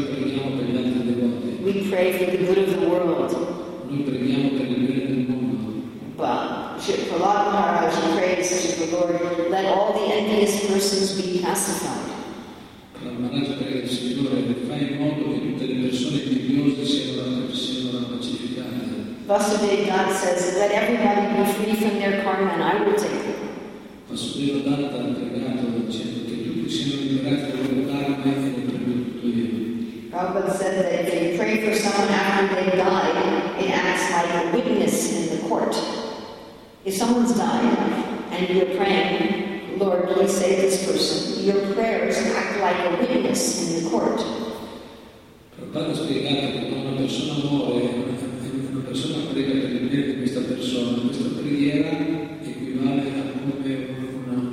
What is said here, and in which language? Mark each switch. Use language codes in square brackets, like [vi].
[en] for the good of the world. [it] Noi preghiamo per il bene del mondo. [en] But for Lord Maharaj, he prays to the Lord, let all the envious persons be pacified. [it] Maharaj prega al Signore, fai in modo che tutte le persone invidiose siano pacificate. [en] Vasudeva Nanda says, let everybody be free from their karma and I will take it. [it] Vasudeva Nanda ha pregato dicendo che tutti siano liberati dal loro karma e dal loro tutto io. [en] Prabhupada said that if they pray for someone after they die, it acts like a witness in the court. If someone's dying and you're praying, Lord, please save this person, your prayers act like a witness in the court. [it] Prabhupada ha spiegato che quando una persona muore, una persona prega per il bene di questa persona, questa preghiera equivale a come una